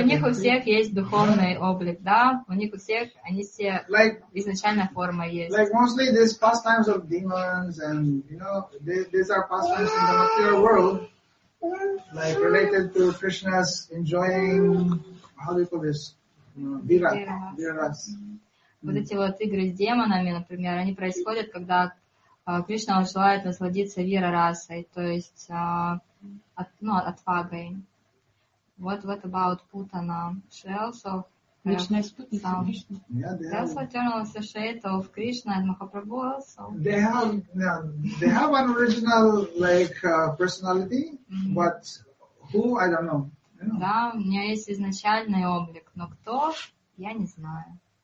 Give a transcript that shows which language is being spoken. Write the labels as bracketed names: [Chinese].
[Russian] И у них у всех есть духовный облик, да? У них у всех, они все изначальная форма есть. [English] Like mostly these pastimes of demons and, you know, these are pastimes in the material world. Like related to Krishna's enjoying, how do you call this? Viras. [Russian] Вот эти вот игры с демонами, например, они происходят, когда Кришна желает насладиться вирарасой, то есть отвагой. [English] What about Путана? She also has some. They also eternal associate of Krishna and Mahaprabhu also. They have an original like personality, but who, I don't know. [Russian] Да, у меня есть изначальный облик, но кто, я не знаю.